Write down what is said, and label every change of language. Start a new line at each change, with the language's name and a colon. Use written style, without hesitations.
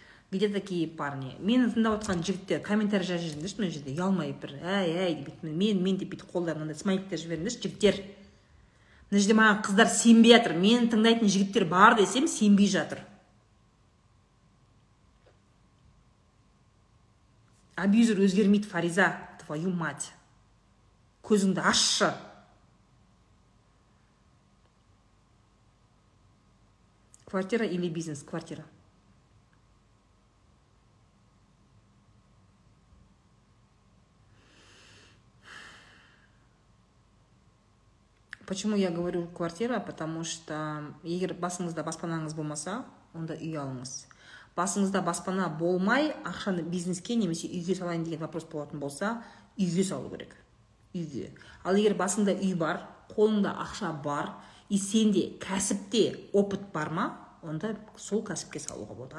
Russian: Где такие парни?
Kazakh: Мен тыңдап отқан жігіттер комментарий жазып жіберіңдерші мына жерде. Ұялмай бір. Әй, бүтін. Мен деп бүтін қолдарында смайликтер жіберіңдерші жігіттер. Мына жерде маған қыздар сенбей жатыр. Мен тыңдайтын жігіттер бар десем, сенбей жатыр. Абьюзер өзгермейді, Фариза,
Russian: твою мать.
Kazakh: Көзіңді ашшы.
Russian: Квартира или бизнес? Квартира. Почему я говорю квартира? Потому что
Kazakh: егер басыңызда баспанаңыз болмаса, онда үй алыңыз. Басыңызда баспана болмай, ақшаны бизнеске немесе үйге салайын деген вопрос болатын болса, үйге салу керек. Үйге. Ал егер басыңда үй бар, қолыңда ақша бар, и сенде кәсіпте опыт бар ма, онда сол кәсіпке салуға болады.